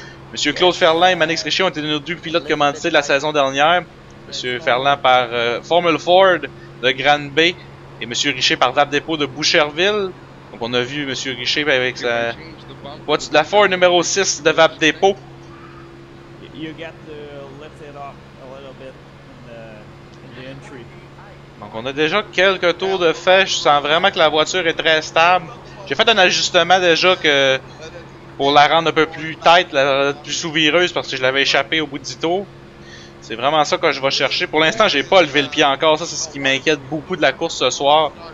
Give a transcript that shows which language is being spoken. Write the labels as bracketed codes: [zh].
[fr] Monsieur Claude Ferland et Manix Richer ont été nos deux pilotes commandités de la saison dernière. Monsieur Ferland par Formule Ford de Grande Bay et Monsieur Richer par Vap Depot de Boucherville. Donc on a vu Monsieur Richer avec sa voiture de la Ford numéro 6 de Vap Depot. [en] You get to lift it up a little bit in the entry. [fr] Donc on a déjà quelques tours de fait, je sens vraiment que la voiture est très stable. J'ai fait un ajustement déjà que pour la rendre un peu plus tight, la rendre plus souvireuse parce que je l'avais échappé au bout de 10 tours. C'est vraiment ça que je vais chercher. Pour l'instant, j'ai pas levé le pied encore, ça c'est ce qui m'inquiète beaucoup de la course ce soir.